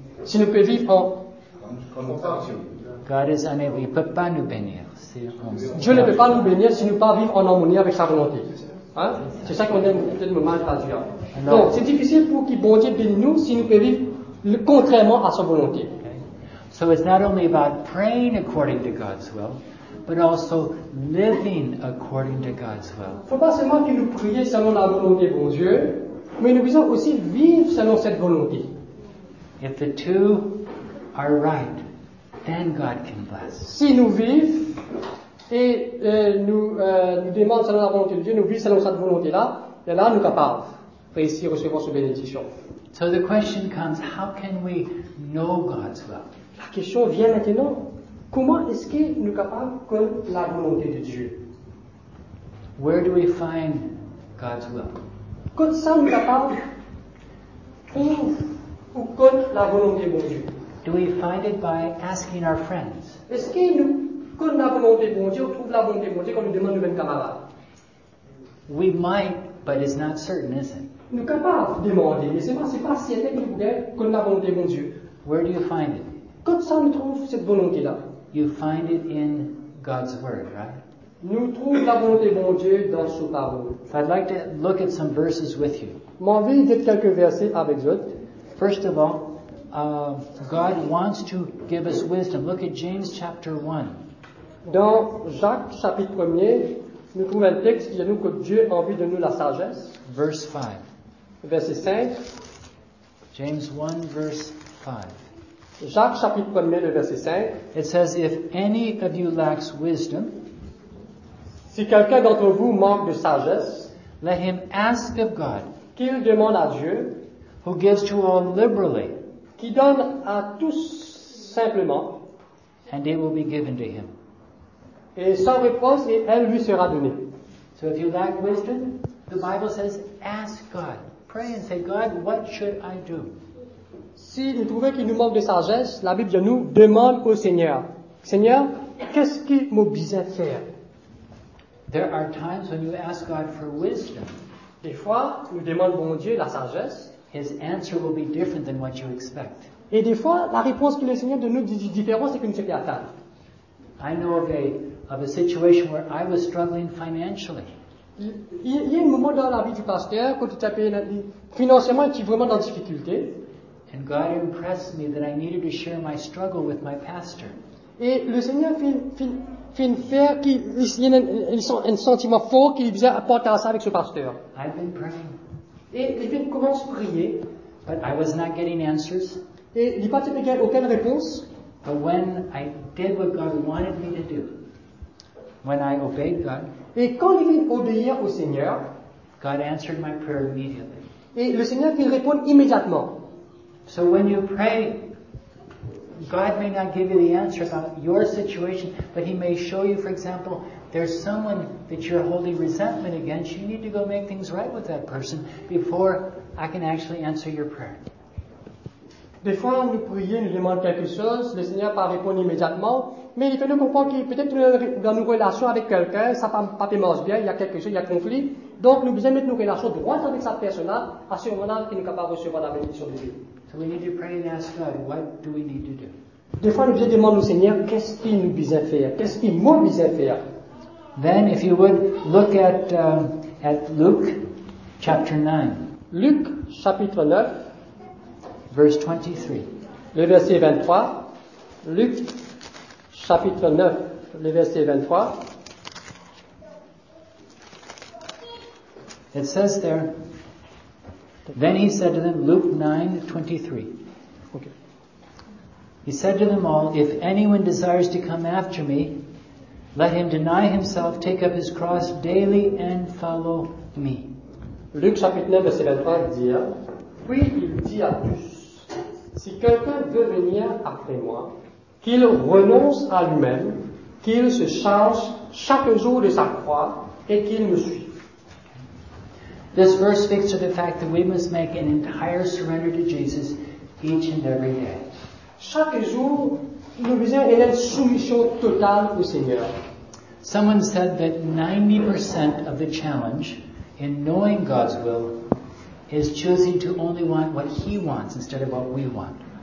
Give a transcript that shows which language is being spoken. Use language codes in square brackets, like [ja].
[fr] S'il ne peut vivre en compassion. [en] God is unable, [fr] il ne peut pas nous bénir. Dieu ne peut pas nous bénir si nous ne pas vivre en harmonie avec sa volonté. Hein? C'est ça qu'on aime peut-être me mal traduire. Donc, c'est difficile pour qu'il bon Dieu bénisse nous si nous pouvons vivre contrairement à sa volonté. [en] So it's not only about praying according to God's will, but also living according to God's will. [fr] Il ne faut pas seulement que nous prions selon la volonté de bon Dieu, mais nous devons aussi vivre selon cette volonté. [en] If the two are right, then God can bless. [fr] Si nous vivons, et nous demandons selon la volonté de Dieu, nous vivons selon cette volonté-là, et là, nous capables de réussir à recevoir cette bénédiction. [en] So the question comes, how can we know God's will? [fr] La question vient maintenant, comment est-ce que nous capables de connaître la volonté de Dieu? [en] Where do we find God's will? [fr] Quand ça nous capables de trouver ou connaître la volonté de Dieu? [en] Do we find it by asking our friends? [fr] Est-ce que nous quand la volonté de Dieu, on trouve la volonté de Dieu quand on demande de même camarade. [en] We might, but it's not certain, is it? [fr] Nous capables de demander, mais c'est pas si elle est que nous voulons quand la volonté de Dieu. [en] Where do you find it? [fr] Quand ça nous trouve cette volonté-là. [en] You find it in God's word, right? [fr] Nous trouvons la volonté de Dieu dans sa parole. [en] So I'd like to look at some verses with you. [fr] M'en vais dire quelques versets avec vous. [en] First of all, God wants to give us wisdom. Look at James chapter 1. [fr] Dans Jacques, chapitre 1er, nous trouvons un texte qui dit nous que Dieu a envie de nous la sagesse. [en] Verse 5. [fr] Verset 5. [en] James 1, verse 5. [fr] Jacques, chapitre 1er, le verset 5. [en] It says, if any of you lacks wisdom, [fr] si quelqu'un d'entre vous manque de sagesse, [en] let him ask of God, [fr] qu'il demande à Dieu, [en] who gives to all liberally, [fr] qui donne à tous simplement. [en] And it will be given to him. [fr] Et sans réponse, et elle lui sera donnée. [en] So if you lack wisdom, the Bible says, ask God. Pray and say, God, what should I do? [fr] Si nous trouvons qu'il nous manque de sagesse, la Bible nous demande au Seigneur. Seigneur, qu'est-ce qui m'oblige à faire? [en] There are times when you ask God for wisdom. [fr] Des fois, nous demandons bon Dieu la sagesse. [en] His answer will be different than what you expect. [fr] Et des fois, la réponse que le Seigneur donne nous est différente de ce que nous avons attendu. [en] I know of a situation where I was struggling financially. [fr] Il y a un moment dans la vie du pasteur quand tu t'appelles financièrement, tu es vraiment dans difficulté. [en] And God impressed me that I needed to share my struggle with my pastor. [fr] Et le Seigneur fait une faire qu'il y a un sentiment fort qu'il vient apporter à ça avec ce pasteur. [en] I've been praying. [fr] Et il vient commencer à prier. [en] But I was not getting answers. [fr] Et il n'y a pas de aucune réponse. [en] But when I did what God wanted me to do, when I obeyed God, [fr] et quand il vient obéir au Seigneur, [en] God answered my prayer immediately. [fr] Et le Seigneur vient répondre immédiatement. [en] So when you pray, God may not give you the answer about your situation, but he may show you, for example, there's someone that you're holding resentment against. You need to go make things right with that person before I can actually answer your prayer. [fr] Des fois, nous prions, nous demandons quelque chose, le Seigneur ne répond pas immédiatement, mais il fait nous comprendre que peut-être dans nos relations avec quelqu'un, ça ne marche pas bien, il y a quelque chose, il y a un conflit. Donc, nous devons mettre nos relations droites avec cette personne-là, à ce moment-là, qu'il est capable de recevoir la bénédiction de Dieu. [en] So we need to pray and ask God, what do we need to do? [fr] Des fois, nous demandons au Seigneur, qu'est-ce qu'il nous besoin faire? Qu'est-ce qu'il m'a besoin faire? [en] Then, if you would, look at Luke, chapter 9. [fr] Luke, chapitre 9. [en] Verse 23. [fr] Le verset 23. Luc, chapitre 9, le verset 23. [en] It says there, then he said to them, Luke 9:23. Okay. He said to them all, if anyone desires to come after me, let him deny himself, take up his cross daily and follow me. [fr] Luc, chapitre 9, verset 23, dit, oui, il dit à tous, si quelqu'un veut venir après moi, qu'il renonce à lui-même, qu'il se charge chaque jour de sa croix et qu'il me suive. [en] This verse speaks to the fact that we must make an entire surrender to Jesus each and every day. [fr] Chaque jour, nous devons avoir une soumission totale au Seigneur. [en] Someone said that 90% of the challenge in knowing God's will is choosing to only want what he wants instead of what we want.